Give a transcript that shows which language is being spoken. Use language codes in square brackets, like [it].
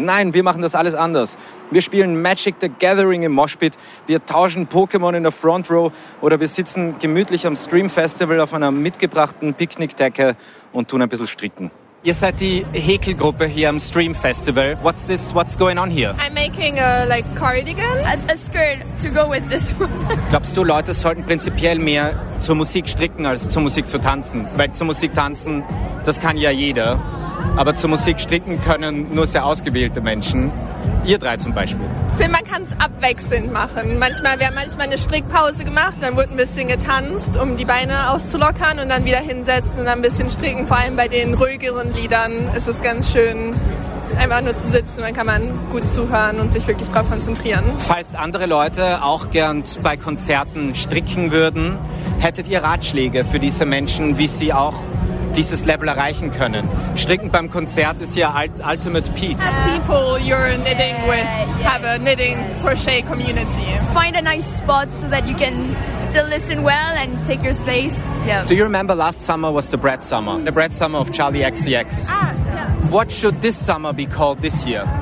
[de] Nein, wir machen das alles anders. Wir spielen Magic the Gathering im Moshpit. Wir tauschen Pokémon in der Front Row oder wir sitzen gemütlich am Stream Festival auf einer mitgebrachten Picknickdecke und tun ein bisschen stricken. Ihr seid die Häkelgruppe hier am Stream Festival. [en] What's this? What's going on here? I'm making a like cardigan and a skirt to go with this one. [de] Glaubst du, Leute sollten prinzipiell mehr zur Musik stricken als zur Musik zu tanzen? Weil zur Musik tanzen, das kann ja jeder. Aber zur Musik stricken können nur sehr ausgewählte Menschen. Ihr drei zum Beispiel. Ich finde, man kann es abwechselnd machen. Manchmal, wir haben manchmal eine Strickpause gemacht, dann wurde ein bisschen getanzt, um die Beine auszulockern und dann wieder hinsetzen und dann ein bisschen stricken. Vor allem bei den ruhigeren Liedern ist es ganz schön, einfach nur zu sitzen. Dann kann man gut zuhören und sich wirklich drauf konzentrieren. Falls andere Leute auch gern bei Konzerten stricken würden, hättet ihr Ratschläge für diese Menschen, wie sie auch dieses Level erreichen können. Stricken beim Konzert ist ja ultimate peak. [en] Have people you're knitting with, have a knitting crochet community. Find a nice spot so that you can still listen well and take your space. Yeah. Do you remember last summer was the Brad summer? The Brad summer of Charlie XCX. Ah, yeah. What should this summer be called this year?